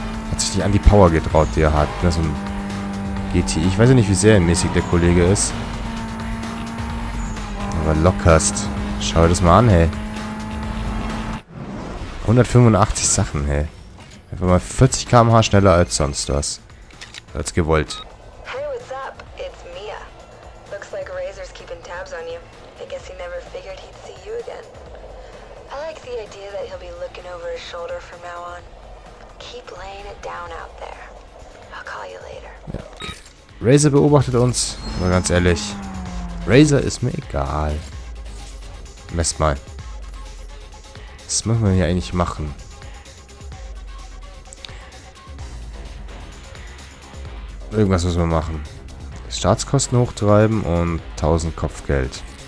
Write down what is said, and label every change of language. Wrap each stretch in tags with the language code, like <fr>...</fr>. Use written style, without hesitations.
<de>Hat sich nicht an die Power getraut, die er hat. Das ist ein GTI. Ich weiß ja nicht, wie serienmäßig der Kollege ist. Aber lockerst. Schau dir das mal an, hey. 185 Sachen, hey. Einfach mal 40 km/h schneller als sonst was. Als gewollt.</de> <en>Hey, what's up? It's Mia. Looks like Razor's keeping tabs on you. I guess he never figured he'd see you again. I like the idea that he'll be looking over his shoulder from now on. Keep laying it down out there. I'll call you later.</en> <de>Ja, okay. Razer beobachtet uns, aber ganz ehrlich. Razer ist mir egal. Mess mal. Was müssen wir hier eigentlich machen? Irgendwas müssen wir machen. Staatskosten hochtreiben und 1000 Kopfgeld.</de>